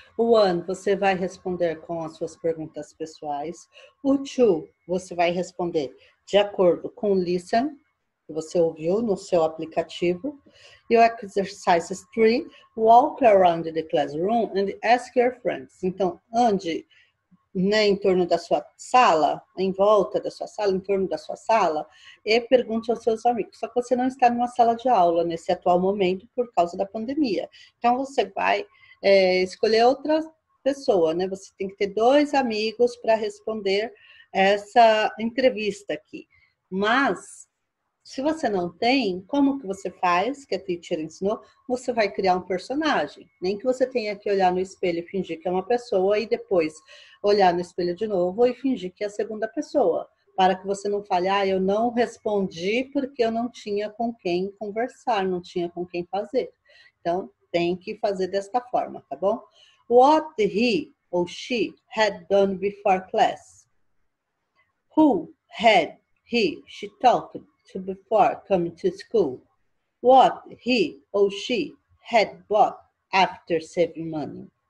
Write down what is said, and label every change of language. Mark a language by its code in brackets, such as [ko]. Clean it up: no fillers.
[pt] O 1, você vai responder com as suas perguntas pessoais. O 2, você vai responder de acordo com o listen, que você ouviu no seu aplicativo. E o [en] exercise 3, walk around the classroom and ask your friends. [pt] Então, ande, né, em torno da sua sala, em volta da sua sala, em torno da sua sala, e pergunte aos seus amigos. Só que você não está numa sala de aula nesse atual momento por causa da pandemia. Então, você vai escolher outra pessoa, né? Você tem que ter dois amigos para responder essa entrevista aqui. Mas, se você não tem, como que você faz, que a teacher ensinou, você vai criar um personagem. Nem que você tenha que olhar no espelho e fingir que é uma pessoa e depois olhar no espelho de novo e fingir que é a segunda pessoa. Para que você não fale, ah, eu não respondi porque eu não tinha com quem conversar, não tinha com quem fazer. Então, tem que fazer desta forma, tá bom? [en] What he or she had done before class? Who had he, she talked to before coming to school? What he or she had bought after saving money?